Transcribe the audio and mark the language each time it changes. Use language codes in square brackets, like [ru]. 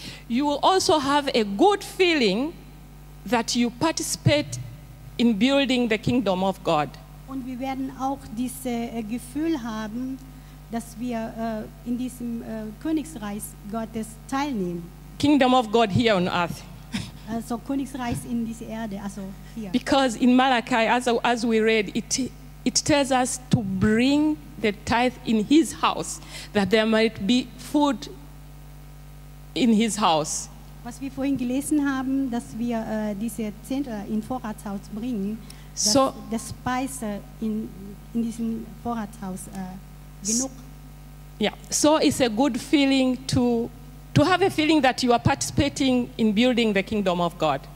[en] You will also have a good feeling that you participate in building the kingdom of God. [de] Und wir werden auch dieses Gefühl haben, dass wir in diesem Königreich Gottes teilnehmen. [en] Kingdom of God here on earth. [de] Also Königreich in dieser Erde, also hier. [en] Because in Malachi, as we read, it tells us to bring the tithe in his house, that there might be food in his house. [de] Was wir vorhin gelesen haben, dass wir diese Zehntel in Vorratshaus bringen, dass so, der Speise in diesem Vorratshaus genug. [en] Yeah, so it's a good feeling to have a feeling that you are participating in building the kingdom of God.